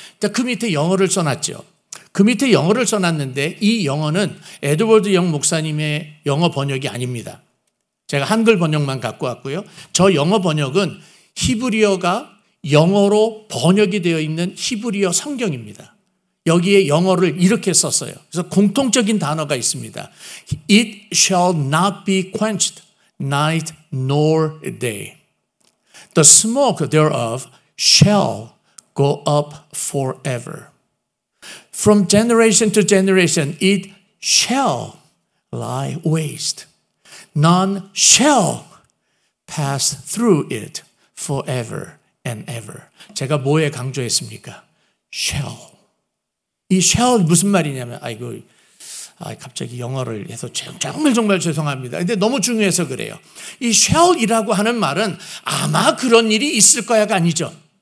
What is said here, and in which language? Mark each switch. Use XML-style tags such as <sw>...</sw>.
<ko>자, 그 밑에 영어를 써놨죠. 그 밑에 영어를 써놨는데 이 영어는 에드워드 영 목사님의 영어 번역이 아닙니다. 제가 한글 번역만 갖고 왔고요. 저 영어 번역은 히브리어가 영어로 번역이 되어 있는 히브리어 성경입니다. 여기에 영어를 이렇게 썼어요. 그래서 공통적인 단어가 있습니다.</ko> <en>It shall not be quenched night nor day. The smoke thereof shall go up forever. From generation to generation, it shall lie waste. None shall pass through it forever and ever.</en> <ko>제가 뭐에 강조했습니까? Shall. 이 shall 무슨 말이냐면, 아이고, 갑자기 영어를 해서 정말 정말 죄송합니다. 근데 너무 중요해서 그래요. 이 shall이라고 하는 말은 아마 그런 일이 있을 거야가 아니죠.</ko>